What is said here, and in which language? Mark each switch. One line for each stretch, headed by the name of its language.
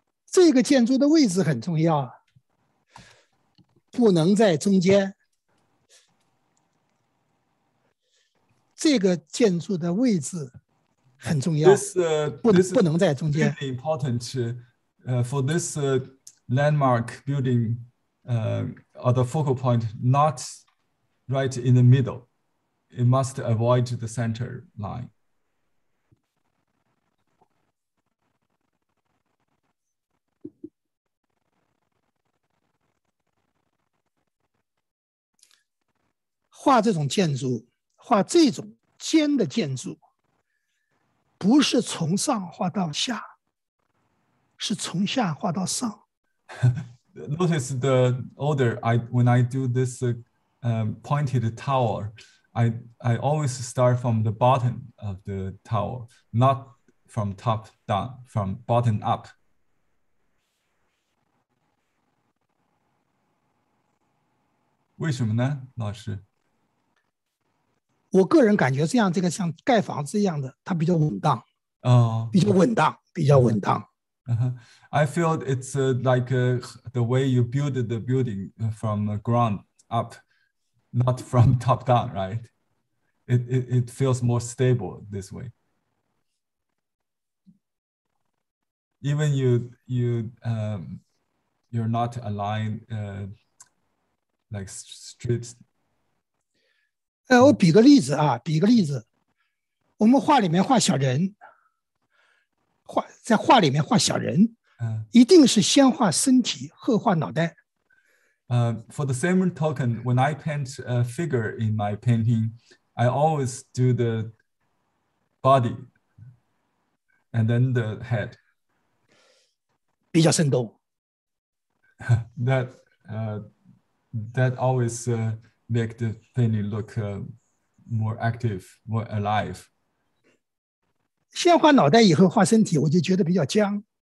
Chinese: 这个建筑的位置很重要，不能在中间。这个建筑的位置很重要，不能在中间。
English: This is really important for this landmark building, or the focal point, not right in the middle. It must avoid the center line.
Chinese: 画这种建筑，画这种尖的建筑，不是从上画到下，是从下画到上。
English: Notice the order. When I do this pointed tower, I always start from the bottom of the tower, not from top down, from bottom up.
Chinese: 为什么呢，老师？我个人感觉这样，这个像盖房子一样的，它比较稳当。哦，比较稳当，比较稳当。
English: I feel it's like the way you build the building from the ground up, not from top down, right? It feels more stable this way. Even you're not aligned, like straight.
Chinese: 我比个例子啊，比个例子，我们画里面画小人，画在画里面画小人，一定是先画身体，后画脑袋。
English: For the same token, when I paint a figure in my painting, I always do the body and then the head.
Chinese: 比较生动。
English: That always. Make the painting look more active, more alive.
Chinese: 先画脑袋，以后画身体，我就觉得比较僵。